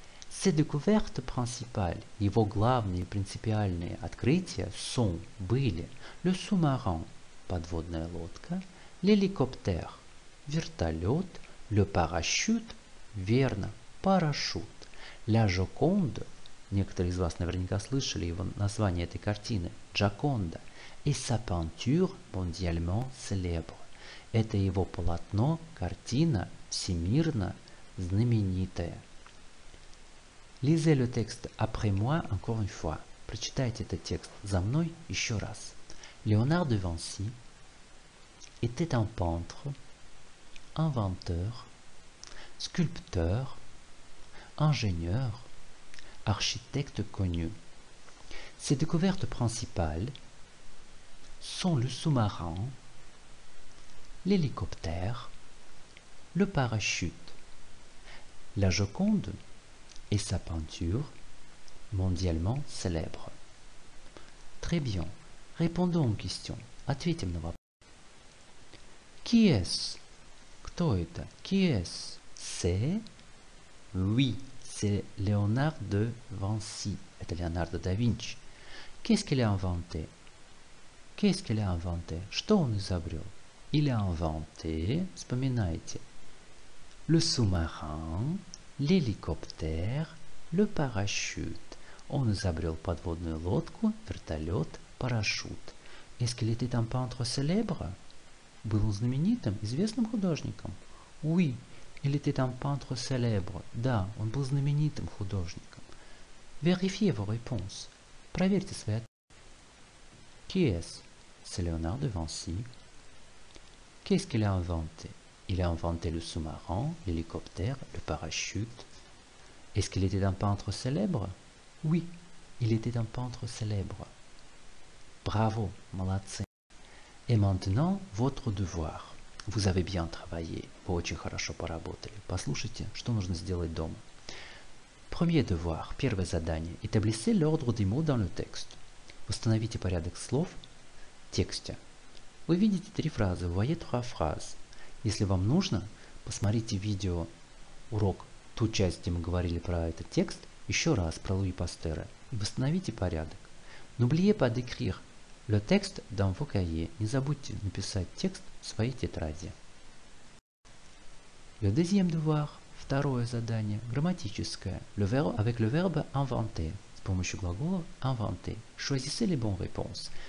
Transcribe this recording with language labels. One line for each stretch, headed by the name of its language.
French: Ses découvertes principales,
Russian: его главные принципиальные открытия
French: sont,
Russian: были,
French: le sous-marin,
Russian: подводная лодка,
French: l'hélicoptère,
Russian: вертолет,
French: le parachute,
Russian: верно, парашют,
French: la Joconde,
Russian: некоторые из вас наверняка слышали его название этой картины, Джоконда,
French: et sa peinture mondialement célèbre.
Russian: Это его полотно, картина, всемирно знаменитая.
French: Lisez le texte après moi encore une fois.
Russian: Прочитайте этот текст за мной еще раз.
French: Леонардо де Винси était un peintre, inventeur, sculpteur, ingénieur, architecte connu. Ses découvertes principales sont le sous-marin, l'hélicoptère, le parachute. La Joconde est sa peinture mondialement célèbre. Très bien, répondons aux questions.
Russian: Ответим на вопрос.
French: Qui est-ce?
Russian: Кто это?
French: Qui est-ce? C'est? Oui, c'est Léonard de Vinci. C'est Leonardo da Vinci. Qu'est-ce qu'il a inventé? Qu'est-ce qu'il a inventé?
Russian: Что он изобрел?
French: Il a inventé,
Russian: вспоминайте,
French: le sous-marin, l'hélicoptère, le parachute.
Russian: Он изобрел подводную лодку, вертолет, парашют.
French: Est-ce qu'il était un peintre célèbre?
Russian: Был он знаменитым, известным художником?
French: Oui, il était un peintre célèbre.
Russian: Да, он был знаменитым художником.
French: Vérifiez vos réponses.
Russian: Проверьте свои ответы.
French: Qui est-ce? C'est Léonard de Vinci. Qu'est-ce qu'il a inventé? Il a inventé le sous-marin, l'hélicoptère, le parachute. Est-ce qu'il était un peintre célèbre? Oui, il était un peintre célèbre. Bravo,
Russian: молодцы.
French: Et maintenant, votre devoir. Vous avez bien travaillé.
Russian: Вы очень хорошо поработали. Послушайте, что нужно сделать дома.
French: Premier devoir,
Russian: первое задание.
French: Établissez l'ordre des mots dans le texte.
Russian: Восстановите порядок слов в тексте. Вы видите три фразы, вы видите три фразы. Если вам нужно, посмотрите видео, урок, ту часть, где мы говорили про этот текст, еще раз про Луи Пастера, и восстановите порядок.
French: N'oubliez pas d'écrire le texte dans vos cahiers.
Russian: Не забудьте написать текст в своей тетради.
French: Le deuxième devoir,
Russian: второе задание, грамматическое,
French: le verbe, avec le verbe inventer,
Russian: с помощью глагола
French: inventer. Choisissez les bonnes réponses.